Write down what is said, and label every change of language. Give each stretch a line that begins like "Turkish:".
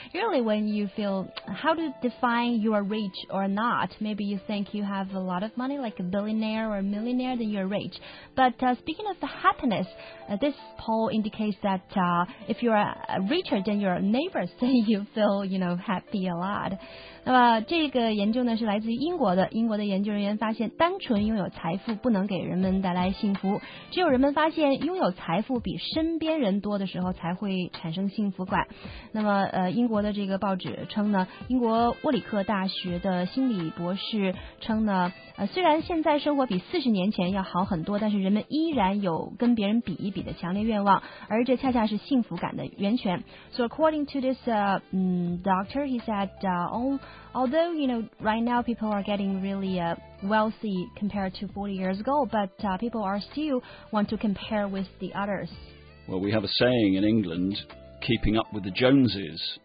English: Really, when you feel, how to define you are rich or not, maybe you think you have a lot of money, like a billionaire or a millionaire, then you're rich. But speaking of the happiness, this poll indicates that if you are richer than your neighbors, then you feel, you know, happy a lot.
Chinese: 那么这个研究呢是来自于英国的，英国的研究人员发现，单纯拥有财富不能给人们带来幸福，只有人们发现拥有财富比身边人多的时候才会产生幸福感。那么英国的这个报纸称呢，英国沃里克大学的心理博士称呢，虽然现在生活比40年前要好很多，但是人们依然有跟别人比一比的强烈愿望，而这恰恰是幸福感的源泉。
English: So according to this doctor, he said although, you know, right now people are getting really wealthy compared to 40 years ago, but people are still want to compare with the others. Well, we have a saying in England, keeping up with the Joneses.